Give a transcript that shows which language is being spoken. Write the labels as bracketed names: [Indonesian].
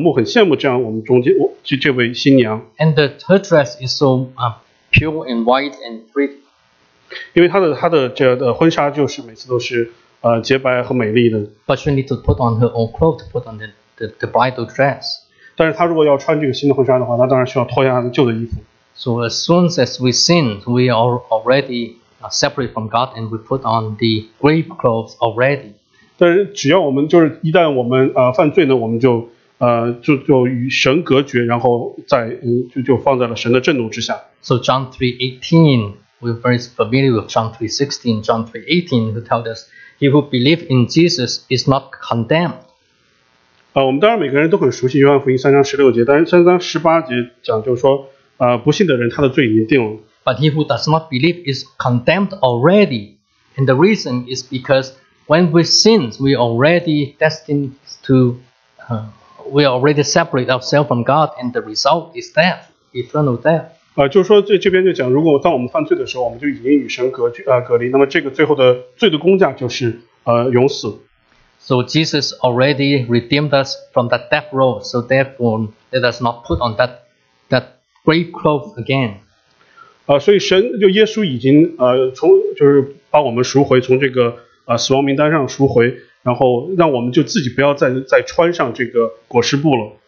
[Chinese] 我们在我们教会中，我们弟兄姊妹也有多次的这样的婚礼呢，在我们教会中举办。我们每次这样婚礼中，我们都很这样的，就是说很仰慕、很羡慕这样我们中间这位新娘。 [English] And her dress is so pure and white and pretty. [Chinese] 因为她的这样的婚纱就是每次都是洁白和美丽的。 [English] But she needs to put on her own clothes, put on the bridal dress. [Chinese] 但是他如果要穿这个新的婚纱的话，他当然需要脱下旧的衣服。So [English] as soon as we sin, we are already separate from God, and we put on the grave clothes already. [Chinese] 但是只要我们就是一旦我们犯罪呢，我们就就与神隔绝，然后在就放在了神的震怒之下。 [English] So John 3:18, we're very familiar with John 3:16. John 3:18 who tells us, "He who believes in Jesus is not condemned." [Chinese] 我们当然每个人都很熟悉约翰福音3:16，但是3:18讲就是说，不信的人他的罪已经定了。 [English] But he who does not believe is condemned already, and the reason is because when we sin, we are already destined to, we are already separate ourselves from God, and the result is death, eternal death. [Chinese] 就是说这边就讲，如果当我们犯罪的时候，我们就已经与神隔离，那么这个最后的罪的工价就是永死。 [English] So Jesus already redeemed us from that death row, so therefore let us not put on that grave clothes again. [Chinese] 所以神就耶稣已经从就是把我们赎回，从这个死亡名单上赎回，然后让我们就自己不要再穿上这个裹尸布了。